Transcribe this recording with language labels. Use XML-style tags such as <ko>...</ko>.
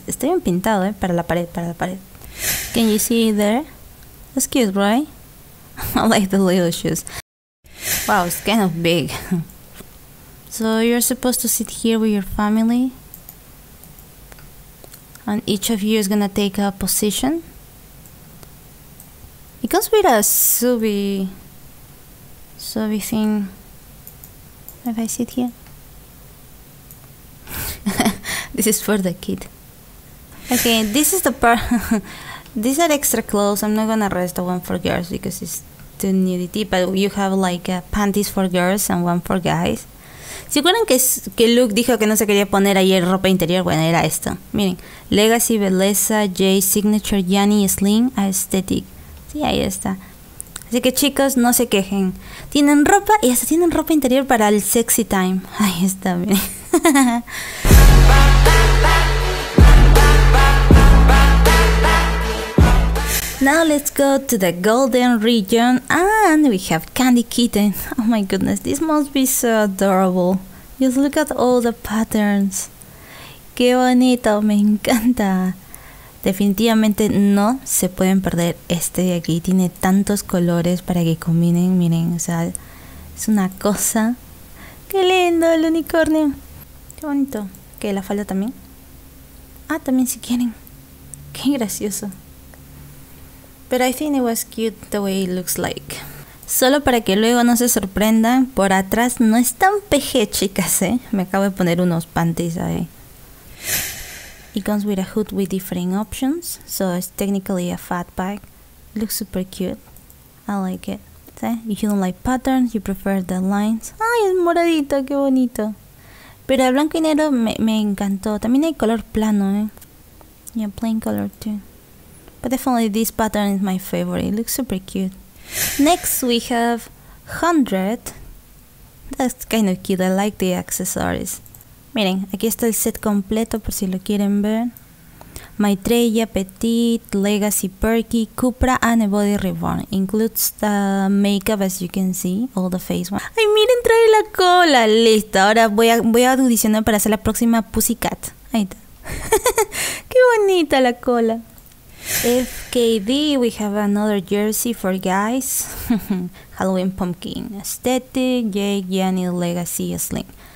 <es>Está bien pintado, para la pared, para la pared.</es> <en>Can you see it there? That's cute, right? I like the little shoes. Wow, it's kind of big. So you're supposed to sit here with your family. And each of you is gonna take a position. It comes with a subi thing. If I sit here. This is for the kid. Okay, this is the part. These are extra clothes. I'm not gonna rest the one for girls because it's too nudity. But you have like panties for girls and one for guys.</en> <es>¿Se acuerdan que Luke dijo que no se quería poner ahí el ropa interior? Bueno, era esto. Miren. Legacy, Belleza, J, Signature, Yanni, Slim, Aesthetic. Sí, ahí está. Así que chicos, no se quejen. Tienen ropa y hasta tienen ropa interior para el sexy time. Ahí está, miren.</es> <en>Now let's go to the golden region and we have Candy Kitten. Oh my goodness, this must be so adorable. Just look at all the patterns.</en> <es>Qué bonito, me encanta. Definitivamente no se pueden perder este de aquí. Tiene tantos colores para que combinen. Miren, o sea, es una cosa. Qué lindo el unicornio. Qué bonito. ¿Qué, la falda también? Ah, también si quieren. Qué gracioso.</es> <en>But I think it was cute the way it looks like.</en> <es>Solo para que luego no se sorprendan, por atrás no es tan PG, chicas, ¿eh? Me acabo de poner unos panties ahí.</es> <en>It comes with a hood with different options, so it's technically a fat bag. Looks super cute. I like it. See? If you don't like patterns, you prefer the lines.</en> <es>Ay, es moradito, qué bonito. Pero el blanco y negro me encantó. También hay color plano, ¿eh?</es> <en>Yeah, plain color too. But definitely this pattern is my favorite. It looks super cute. Next we have 100. That's kind of cute. I like the accessories.</en> <es>Miren, aquí está el set completo por si lo quieren ver.</es> <en>Maitreya, Petit, Legacy, Perky, Cupra, and a Body Reborn. Includes the makeup, as you can see, all the face ones.</en> <es>Ay, miren, trae la cola. Listo, ahora voy a audicionar para hacer la próxima Pussycat. Ahí está. Qué bonita la cola. FKD,</es> <en>we have another jersey for guys. Halloween Pumpkin Aesthetic, Jake, Gianni, Legacy, Sling.</en>